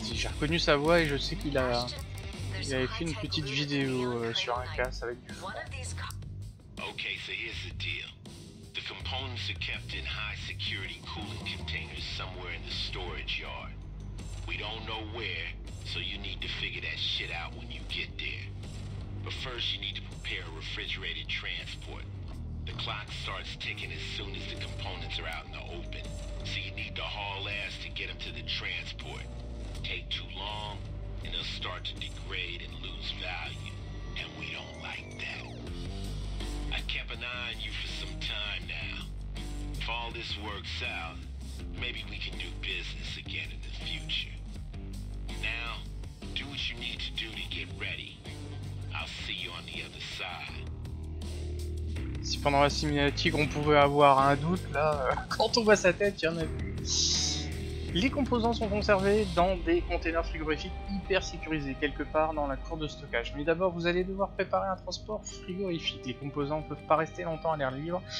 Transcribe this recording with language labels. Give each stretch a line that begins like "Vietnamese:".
French: J'ai reconnu sa voix et je sais qu'il a... Il avait fait une petite vidéo sur un casse avec du fond.
English: Okay, so here's the deal. The components are kept in high security cooling containers somewhere in the storage yard. We don't know where, so you need to figure that shit out when you get there. But first you need to prepare a refrigerated transport. The clock starts ticking as soon as the components are out in the open. So you need to haul ass to get them to the transport. Take too long, and they'll start to degrade and lose value. And we don't like that. I kept an eye on you for some time now. If all this works out, maybe we can do business again in the future. Now, do what you need to do to get ready. I'll see you on the other side.
French: Si pendant la cinématique on pouvait avoir un doute, là, quand on voit sa tête, il y en a plus. Les composants sont conservés dans des containers frigorifiques hyper sécurisés, quelque part dans la cour de stockage. Mais d'abord, vous allez devoir préparer un transport frigorifique. Les composants ne peuvent pas rester longtemps à l'air libre.